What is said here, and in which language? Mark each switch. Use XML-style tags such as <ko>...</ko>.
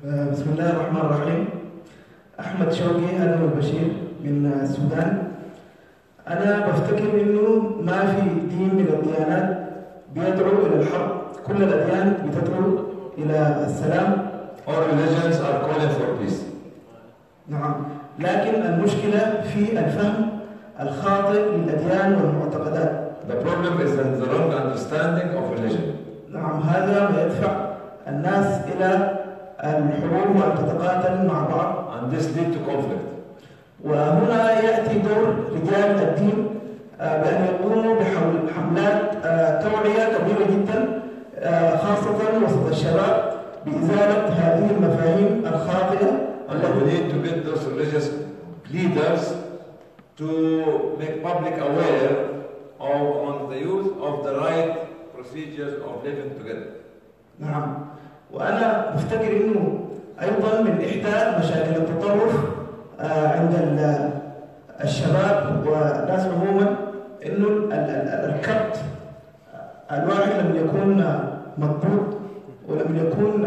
<ar>بسم الله الرحمن الرحيم احمد شوقي انا البشير من السودان انا بفتكر انه ما في دين من الديانات بيدعو الى الحرب كل الاديان بتدعو الى السلام</ar> <en>all religions are calling for peace</en> <ar>نعم لكن المشكله في الفهم الخاطئ للاديان والمعتقدات</ar> <en>The problem is in the wrong understanding of religion.</en> <ar>نعم هذا بيدفع الناس إلى الحروب والتطاقاتل مع بعض.</ar> <en>And this lead to conflict.</en> <ar>وهنا يأتي دور رجال الدين بأن يقوموا بحملات توعية كبيرة جدا خاصة وسط الشباب بإزالة هذه المفاهيم الخاطئة.</ar> <en>And we need to get those religious leaders to make public aware. Or on the use of the right procedures of living together.</en> <ar>نعم. وأنا أفتكر إنه أيضا من إحدى مشاكل التطرف عند الشباب والناس عموما إنه الكبت الواحد لم يكون مضبوط ولم يكون.</ar>